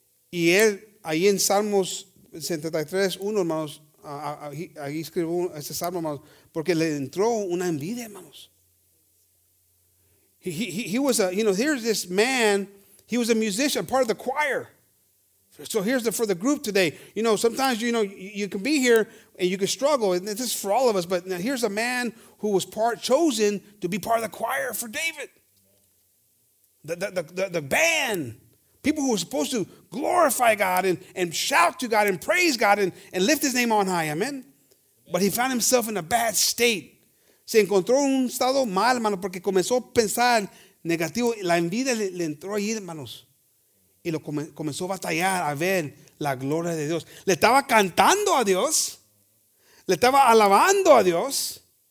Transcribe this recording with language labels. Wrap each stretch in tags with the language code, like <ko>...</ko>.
<es>Y él, ahí en Salmos 73:1, hermanos, ahí escribió ese salmo, hermanos, porque le entró una envidia, hermanos.</es> <en>He was a, you know, here's this man, he was a musician, part of the choir. So here's for the group today. You know, sometimes, you know, you can be here and you can struggle, and this is for all of us, but now here's a man who was chosen to be part of the choir for David. The band, people who were supposed to glorify God and shout to God and praise God and lift his name on high, amen? But he found himself in a bad state.</en> <es>Se encontró en un estado mal, hermano, porque comenzó a pensar negativo. La envidia le entró ahí, hermanos. Y lo comenzó a batallar, a ver la gloria de Dios. Le estaba cantando a Dios. Le estaba alabando a Dios.</es>